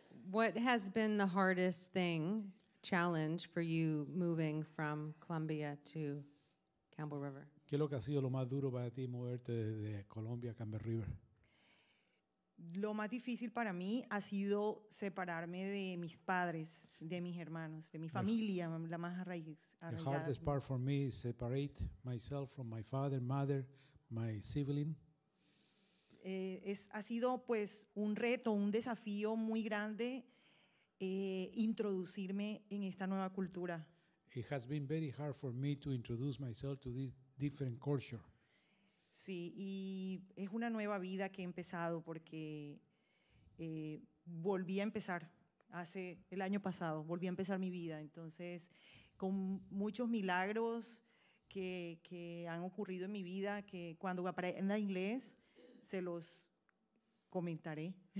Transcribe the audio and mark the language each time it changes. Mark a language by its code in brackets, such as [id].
[en] What has been the hardest thing, challenge for you moving from Colombia to Campbell River? [es] ¿Qué es lo que ha sido lo más duro para ti moverte desde Colombia a Campbell River? Lo más difícil para mí ha sido separarme de mis padres, de mis hermanos, de mi familia, la más arraigada. [en] The hardest part for me is separate myself from my father, mother, my sibling. [es] Ha sido pues un reto, un desafío muy grande introducirme en esta nueva cultura. [en] It has been very hard for me to introduce myself to this different culture. [es] Sí, y es una nueva vida que he empezado porque volví a empezar hace el año pasado, volví a empezar mi vida. Entonces, con muchos milagros que han ocurrido en mi vida, que cuando aprenda inglés se los comentaré.